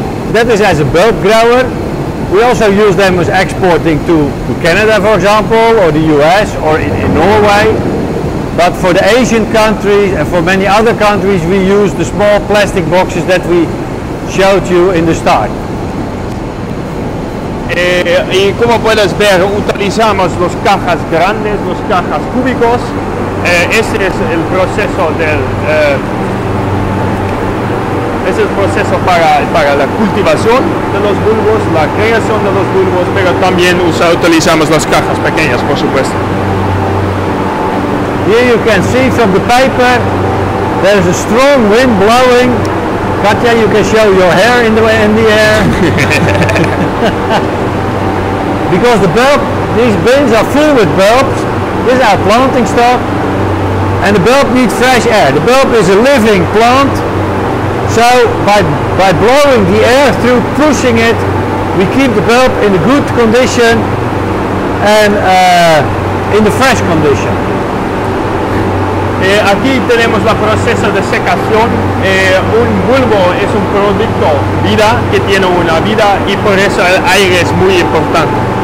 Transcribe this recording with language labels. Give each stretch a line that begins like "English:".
English: That is as a bulb grower. We also use them as exporting to Canada, for example, or the US, or in Norway. But for the Asian countries and for many other countries, we use the small plastic boxes that we showed you in the start.
Spanish: Y como puedes ver, utilizamos los cajas grandes, los cajas cúbicos. Ese es el proceso para la cultivación de los bulbos, la creación de los bulbos, pero también utilizamos las cajas pequeñas, por supuesto.
English: Here you can see from the paper, there's a strong wind blowing. Katja, you can show your hair in the air. Because the bulb, these bins are full with bulbs. This is our planting stock. And the bulb needs fresh air. The bulb is a living plant. So by blowing the air through, pushing it, we keep the bulb in a good condition and in the fresh condition.
Spanish: Aquí tenemos la proceso de secación. Un bulbo es un producto vida, que tiene una vida, y por eso el aire es muy importante.